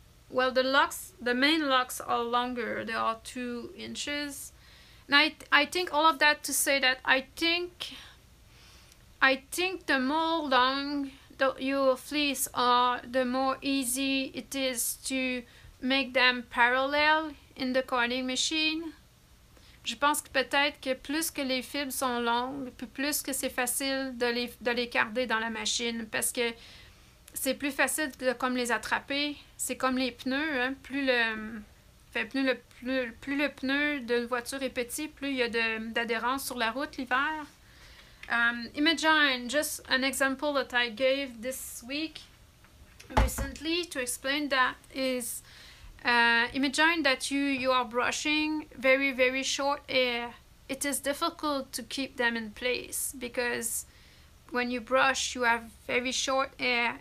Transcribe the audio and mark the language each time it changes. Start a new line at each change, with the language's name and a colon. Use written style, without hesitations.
English: Well, the locks, the main locks are longer. They are 2 inches. And I think all of that to say that I think the more long your fleece are, the more easy it is to make them parallel in the carding machine.
French: Je pense que peut-être que plus que les fibres sont longues, plus que c'est facile de les carder dans la machine parce que c'est plus facile de comme les attraper. C'est comme les pneus, hein? Plus le pneu d'une voiture est petit, plus il y a d'adhérence sur la route l'hiver.
English: Imagine just an example that I gave this week recently to explain that is imagine that you are brushing very, very short air. It is difficult to keep them in place because when you brush, you have very short air.